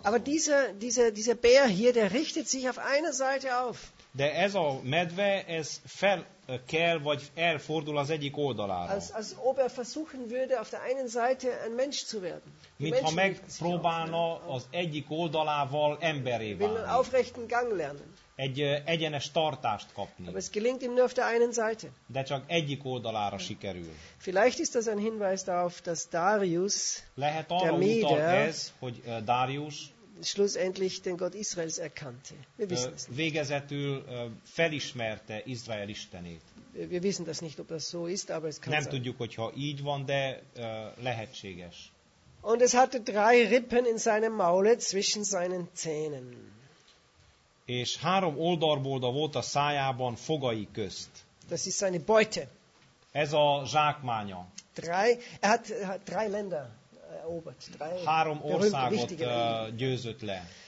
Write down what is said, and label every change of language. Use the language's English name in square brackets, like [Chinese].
[German] Aber dieser Bär hier, der richtet sich auf einer Seite auf. [Hungarian] De ez a medve, ez fel kell, vagy elfordul az egyik oldalára. [German] Als ob er versuchen würde, auf der einen Seite ein Mensch zu werden. [Hungarian] Mintha megpróbálna az egyik oldalával emberé válni. [German] Will einen aufrechten Gang lernen. [Hungarian] Egy egyenes tartást kapni. [German] Aber es gelingt ihm nur auf der einen Seite. [Hungarian] De csak egyik oldalára sikerül. [German] Vielleicht ist das ein Hinweis darauf, dass Darius, [Hungarian] lehet arra utal ez, hogy Darius [German] schlussendlich den Gott Israels erkannte. Wir wissen es nicht. [Hungarian] Végezetül felismerte Izrael istenét. [German] Wir wissen das nicht, ob das so ist, aber es kann [Hungarian] nem [German] sein. [Hungarian] Tudjuk, hogyha így van, de lehetséges. [German] Und es hatte drei Rippen in seinem Maule zwischen seinen Zähnen. [Hungarian] És három oldalbolda volt a szájában fogai közt. [German] Das ist seine Beute. [Hungarian] Ez a zsákmánya. [German] Er hat drei Länder. [Hungarian] Három országot győzött le.